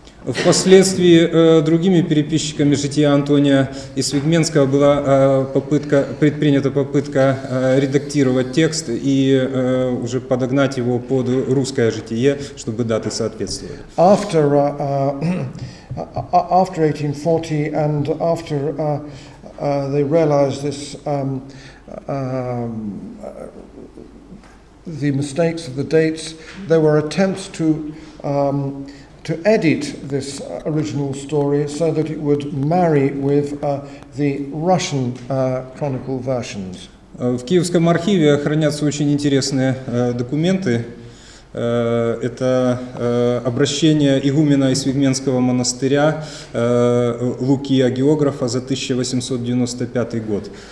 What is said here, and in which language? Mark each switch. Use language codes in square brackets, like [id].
[ru] Впоследствии другими переписчиками жития Антония и Свигменского была попытка, предпринята попытка редактировать текст и уже подогнать его под русское житие, чтобы даты соответствовали. [en] After, after 1840 and after they realized this, the mistakes of the dates, there were attempts to edit this original story so that it would marry with the Russian chronicle versions. [ru] В Киевском архиве хранятся очень интересные документы. Это обращение игумена из Свигменского монастыря Лукия географа за 1895 год.